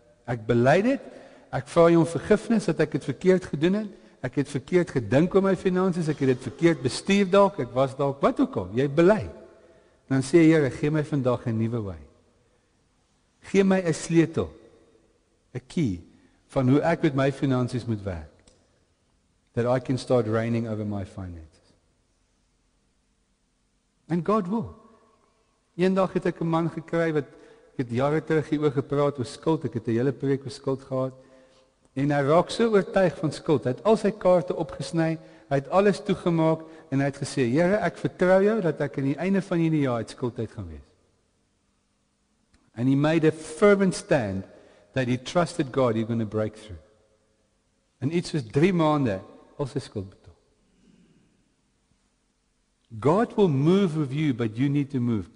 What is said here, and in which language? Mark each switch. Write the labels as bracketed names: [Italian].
[Afrikaans] Ek bely dit, ek vra jou om vergifnis, dat ek het verkeerd gedoen het, ek het verkeerd gedink oor my finansies, ek het dit verkeerd bestuur dalk, ek was dalk, wat ook al, jy bely. Dan sê, Here, gee my vandag 'n nuwe way. Gee my 'n sleutel, 'n key, van hoe ek met my finansies moet werk. [English] That I can start reigning over my finances. And God will. [Afrikaans] Eendag het ek 'n man gekry wat, ek het jare terug hier oor gepraat oor skuld, ek het 'n hele preek oor skuld gehad, en hy raak so oortuig van skuld, hy het al sy kaarte opgesny, hy het alles toegemaak, en hy het gesê, Here, ek vertrou jou, dat ek in die einde van hierdie jaar uit skuld uit gaan wees. [English] And he made a fervent stand, that he trusted God, he's going to break through. [Afrikaans] En iets soos 3 maande, al sy skuld betaal. [English] God will move with you, but you need to move.